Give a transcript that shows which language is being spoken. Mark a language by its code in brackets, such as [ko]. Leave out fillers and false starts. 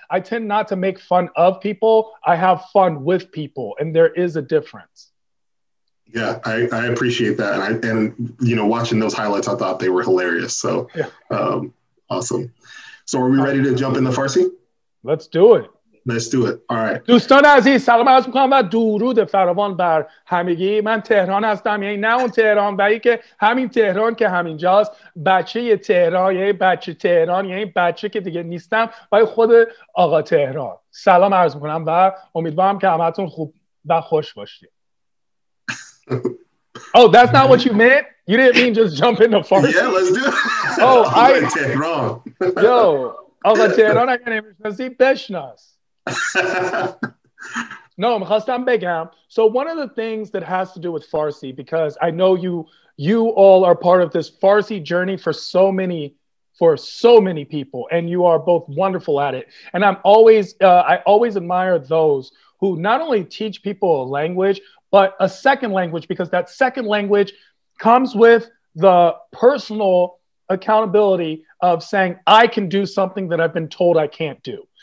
[en] I tend not to make fun of people. I have fun with people, and there is a difference. Yeah, I appreciate that. And you know, watching those highlights, I thought they were hilarious. So yeah. Awesome. So are we ready to jump in the Farsi? Let's do it. Let's do it. All right. [fa] دوستان عزیز سلام عرض می‌کنم و درود فراوان بر همگی. من تهران هستم. یعنی نه اون تهران بایی که همین تهران که همینجاست. بچه تهران، یعنی بچه تهران، یعنی بچه که دیگه نیستم، ولی خود آقا تهران. سلام عرض می‌کنم و امیدوارم که همتون خوب و خوش باشید. [en] Oh, that's not what you meant? You didn't mean just jump into Farsi. Yeah, let's do it. Oh, I'm Tehran. [fa] Yo, آقا تهران اگر نمی‌شناسی بشناس. [en] No, I'm begam. So one of the things that has to do with Farsi, because I know you all are part of this Farsi journey for so many people, and you are both wonderful at it. And I'm always I always admire those who not only teach people a language, but a second language, because that second language comes with the personal accountability of saying, I can do something that I've been told I can't do.